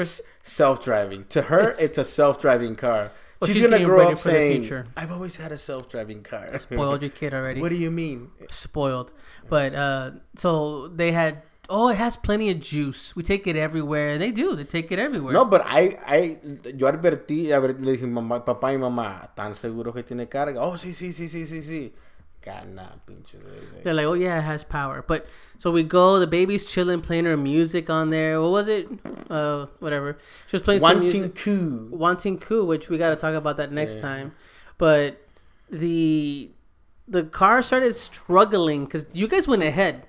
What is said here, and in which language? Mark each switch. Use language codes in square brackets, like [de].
[en] It's self-driving. To her, it's a self-driving car. Well, she's going to grow up saying, I've always had a self-driving car. Spoiled your kid already. What do you mean? Spoiled. But so they had... Oh, it has plenty of juice. We take it everywhere. They do. They take it everywhere. No, but I [es] yo advertí, le dije, papá y mamá, ¿están seguros que tiene carga? [en] Oh, sí. God, nah, pinche. They're like, oh, yeah, it has power. But so we go. The baby's chilling, playing her music on there. What was it? Whatever. She was playing some music. Wanting Coup. Wanting Coup, which we got to talk about that next time. But the car started struggling because you guys went ahead.